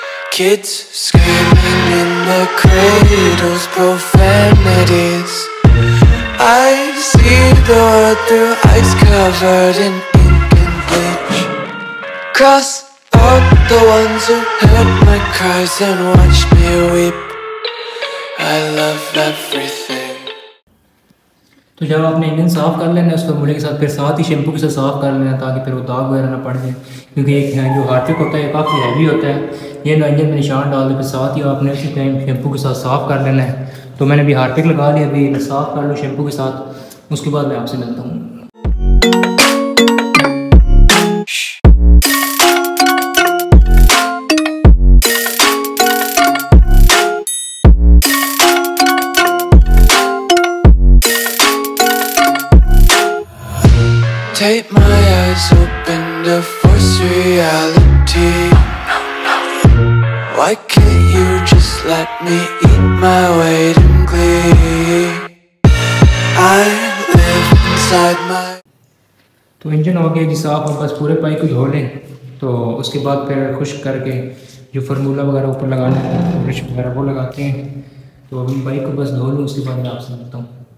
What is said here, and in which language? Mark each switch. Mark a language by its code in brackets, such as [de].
[en] Kids screaming in the cradles, profanities. I see the world through ice covered in ink and bleach. Cross out the ones who heard my cries and watched me weep. I love everything. [hi] तो जब आपने engine साफ़ कर लेना है उस फॉर्मूले के साथ, फिर साथ ही शैम्पू के साथ साफ़ कर लेना, ताकि फिर वो दाग वगैरह ना पड़ जाए, क्योंकि एक जो हार्पिक होता है काफ़ी हैवी होता है। ये ना इंजन में निशान डाल दे, फिर साथ ही आपने उसी टाइम शैम्पू के साथ साफ़ कर लेना है। तो मैंने अभी हार्पिक लगा लिया, अभी साफ़ कर लो शैम्पू के साथ, उसके बाद मैं आपसे मिलता हूँ। [en] Take my eyes open to force reality. Why can't you just let me eat my weight in glee? I live inside my. [hi] तो इंजन हो गया जी साफ, और बस पूरे पाइप को धो लें, तो उसके बाद फिर खुश करके जो फार्मूला वगैरह ऊपर लगाना है, तो ब्रश वगैरह वो लगाते हैं। तो अभी पाइप को बस धो लूँ, उसके बाद मैं आपसे मिलता हूँ।